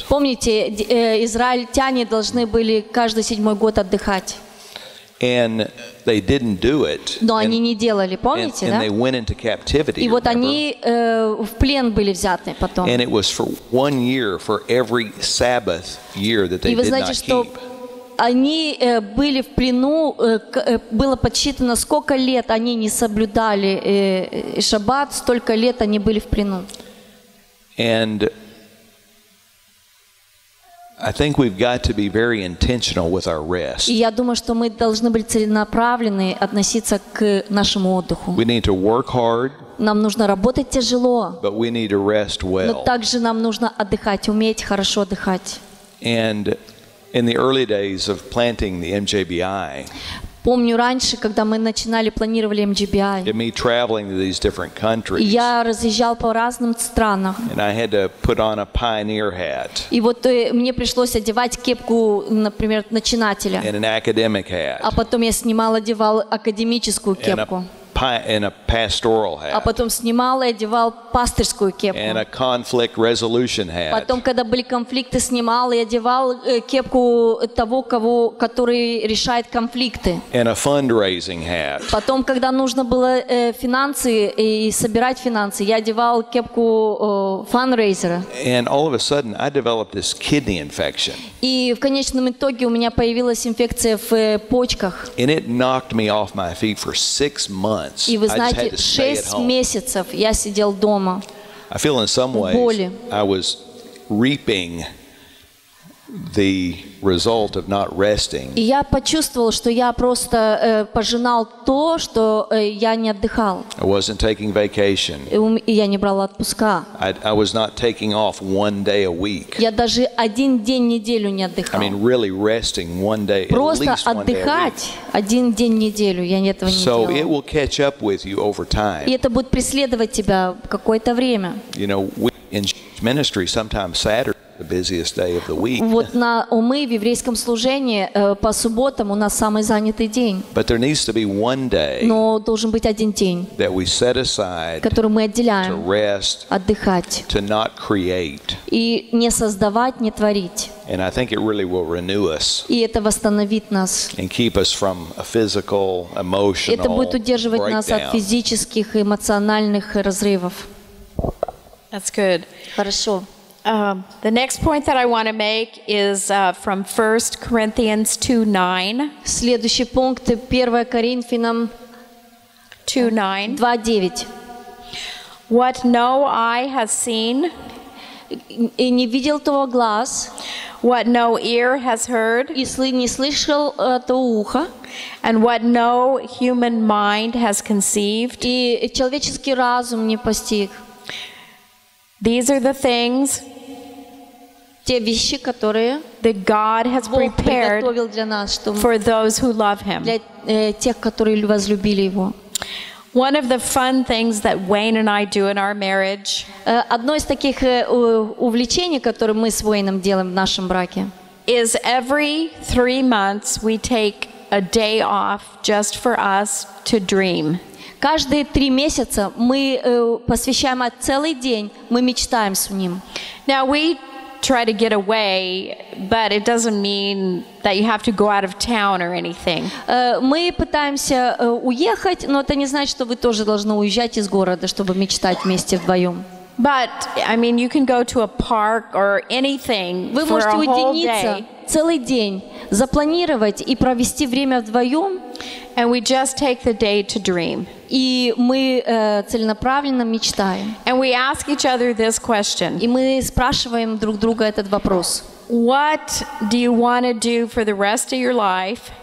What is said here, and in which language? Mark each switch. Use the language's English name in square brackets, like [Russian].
[Russian] Помните, израильтяне должны были каждый седьмой год отдыхать. [English] And they didn't do it. [Russian] Но они не делали, помните, да? [English] And they went into captivity. [Russian] И вот они в плен были взяты потом. [English] And it was for 1 year for every Sabbath year that they did not keep. [Russian] И вы знаете, что они были в плену, было подсчитано, сколько лет они не соблюдали Шаббат, столько лет они были в плену. [English] And I think we've got to be very intentional with our rest. [Russian] Я думаю, что мы должны быть целенаправленны относиться к нашему отдыху. [English] We need to work hard. [Russian] Нам нужно работать тяжело. [English] But we need to rest well. [Russian] Но также нам нужно отдыхать, уметь хорошо отдыхать. [English] And in the early days of planting the MJBI. [Russian] Помню раньше, когда мы начинали планировали MJBI. [English] And me traveling to these different countries. [Russian] Я разъезжал по разным странам. [English] And I had to put on a pioneer hat. [Russian] И вот мне пришлось одевать кепку, например, начинателя. [English] And an academic hat. [Russian] А потом я снимал, одевал академическую кепку. [English] And a pastoral hat. [Russian] А потом снимал и одевал пастырскую кепку. [English] And a conflict resolution hat. [Russian] Потом, когда были конфликты, снимал и одевал кепку того, кого, который решает конфликты. [English] And a fundraising hat. [Russian] Потом, когда нужно было финансы и собирать финансы, я одевал кепку фандрейзера. [English] And all of a sudden, I developed this kidney infection. [Russian] И в конечном итоге у меня появилась инфекция в почках. [English] And it knocked me off my feet for 6 months. [Russian] И вы знаете, 6 месяцев я сидел дома. [English] I feel in some ways I was reaping the result of not resting. [Russian] И я почувствовал, что я просто пожинал то, что я не отдыхал. [English] I wasn't taking vacation. [Russian] Я не брал отпуска. [English] I was not taking off one day a week. [Russian] Я даже один день в неделю не отдыхал. [English] I mean really resting one day, at least one day a week. [Russian] Просто отдыхать один день в неделю, я этого не делал. [English] So it will catch up with you over time. [Russian] И это будет преследовать тебя какое-то время. [English] You know, in ministry sometimes Saturday the busiest day of the week. [Russian] Вот на мы в еврейском служении по субботам у нас самый занятый день. [English] But there needs to be one day. [Russian] Но должен быть один день. [English] That we set aside. [Russian] Который мы отделяем. [English] To rest. [Russian] Отдыхать. [English] To not create. [Russian] И не создавать, не творить. [English] And I think it really will renew us. [Russian] И это восстановит нас. [English] And keep us from a physical, emotional. [Russian] Это будет удерживать нас от физических и эмоциональных разрывов. [English] That's good. [Russian] Хорошо. [English] The next point that I want to make is from 1 Corinthians 2:9. [Russian] Следующий пункт 1 Коринфянам 2:9. [English] What no eye has seen, [Russian] и не видел того глаз, [English] what no ear has heard, [Russian] и не слышал то ухо, [English] and what no human mind has conceived, [Russian] и человеческий разум не постиг. [English] These are the things [Russian] те вещи, которые [English] that God has prepared [Russian] для нас, чтобы [English] for those who love Him. [Russian] Для тех, которые возлюбили Его. [English] One of the fun things that Wayne and I do in our marriage. [Russian] Одно из таких увлечений, которые мы с Уэйном делаем в нашем браке. [English] Is every 3 months we take a day off just for us to dream. [Russian] Каждые 3 месяца мы посвящаем целый день, мы мечтаем с ним. [English] Now we try to get away, but it doesn't mean that you have to go out of town or anything. [Russian] Мы пытаемся уехать, но это не значит, что вы тоже должны уезжать из города, чтобы мечтать вместе вдвоем. [English] But I mean, you can go to a park or anything [Russian] вы [English] for a whole day. [Russian] Целый день запланировать и провести время вдвоем. [English] And we just take the day to dream. [Russian] И мы целенаправленно мечтаем. [English] And we ask each other this question. [Russian] И мы спрашиваем друг друга этот вопрос. [English] What do you want to do for the rest of your life?